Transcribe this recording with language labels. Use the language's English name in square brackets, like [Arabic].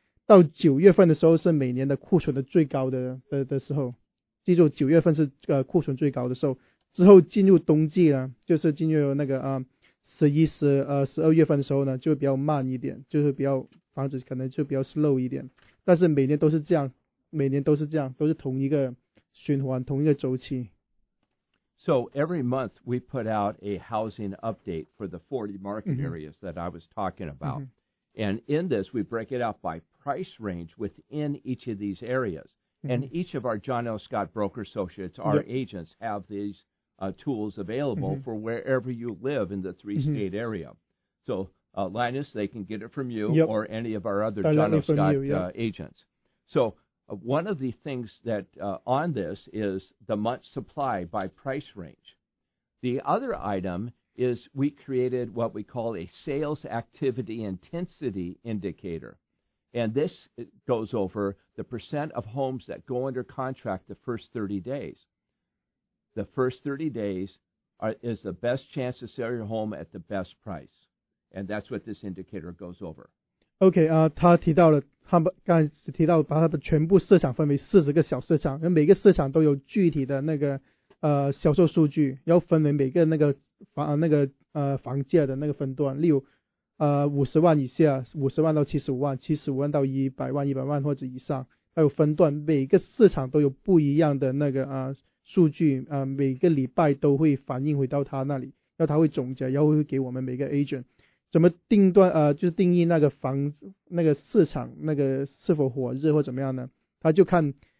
[Chinese] 到九月份的时候是每年的库存的最高的时候，记住九月份是库存最高的时候，之后进入冬季呢，就是进入那个十一十十二月份的时候呢，就比较慢一点，就是比较房子可能就比较 slow 一点，但是每年都是这样，每年都是这样，都是同一个循环，同一个周期。 [English] So every month we put out a housing update for the 40 market areas that I was talking about, and in this we break it out by price range within each of these areas. And each of our John L. Scott broker associates, our agents, have these tools available for wherever you live in the three-state area. So, Linus, they can get it from you or any of our other John L. Scott agents. So one of the things that on this is the month supply by price range. The other item is we created what we call a sales activity intensity indicator. And this goes over the percent of homes that go under contract the first 30 days. The first 30 days is the best chance to sell your home at the best price. And that's what this indicator goes over. [Chinese] Okay, 他提到了，他刚才提到把他的全部市场分为40个小市场，每个市场都有具体的那个销售数据，要分为每个那个房价的那个分段，例如 50万以下，50万到75万，75万到100万，100万或者以上，还有分段，每个市场都有不一样的那个数据，每个礼拜都会反映回到他那里，然后他会总结，然后会给我们每个 agent 怎么定段，就是定义那个房那个市场那个是否火热或怎么样呢，他就看